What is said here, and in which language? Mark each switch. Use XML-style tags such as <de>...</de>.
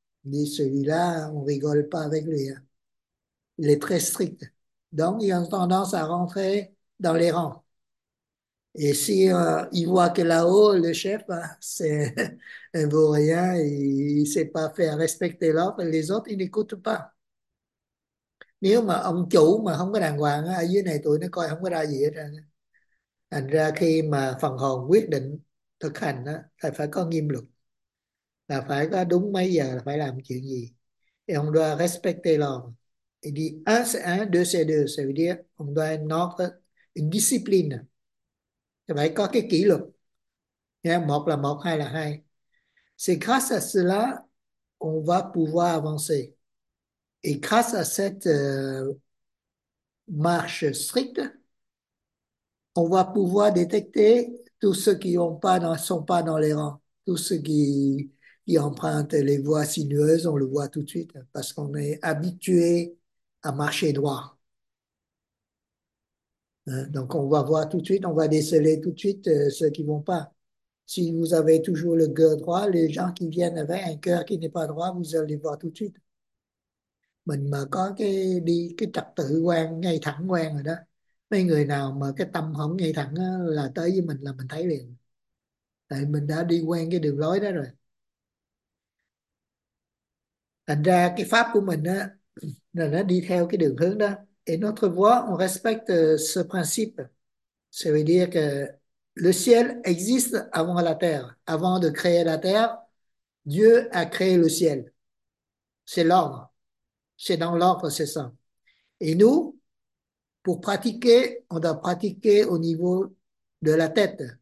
<fr>Mais celui-là, on rigole pas avec lui. Hein. Il est très strict. Donc, ils ont tendance à rentrer dans les rangs. Et si ils voient que là-haut, le chef, c'est un vaurien, il ne sait pas faire respecter l'ordre, les autres, ils n'écoutent pas.</fr> <vi>Nếu mà ông chủ mà không có đàng hoàng ở dưới này tụi nó coi không có ra gì hết trơn. Thành ra khi mà phần hồn quyết định thực hành đó, phải phải có nghiêm luật, là phải có đúng mấy giờ là phải làm chuyện gì, thì ông</vi> <fr>doit respecter l'ordre. Il dit un c'est un, deux c'est deux, ça veut dire on doit un ordre, une discipline,</fr> <vi>phải có cái kỷ luật. Một là một, hai là hai.</vi> <fr>C'est grâce à cela qu'on va pouvoir avancer. Et grâce à cette marche stricte, on va pouvoir détecter tous ceux qui ne sont pas dans les rangs, tous ceux qui empruntent les voies sinueuses, on le voit tout de suite, parce qu'on est habitué à marcher droit. Hein? Donc on va voir tout de suite, on va déceler tout de suite ceux qui ne vont pas. Si vous avez toujours le cœur droit, les gens qui viennent avec un cœur qui n'est pas droit, vous allez voir tout de suite.</fr> <vi>Mình mà có cái đi cái trật tự quen, ngay thẳng quen rồi đó. Mấy người nào mà cái tâm không ngay thẳng đó, là tới với mình là mình thấy liền. Tại mình đã đi quen cái đường lối đó rồi. Thành ra cái pháp của mình á là nó đi theo cái đường hướng đó.</vi> <fr>Et notre voie, on respecte ce principe. Ça veut dire que le ciel existe avant la terre. Avant de créer la terre, Dieu a créé le ciel. C'est l'ordre. C'est dans l'ordre, c'est ça. Et nous, pour pratiquer, on doit pratiquer au niveau de la tête.</fr>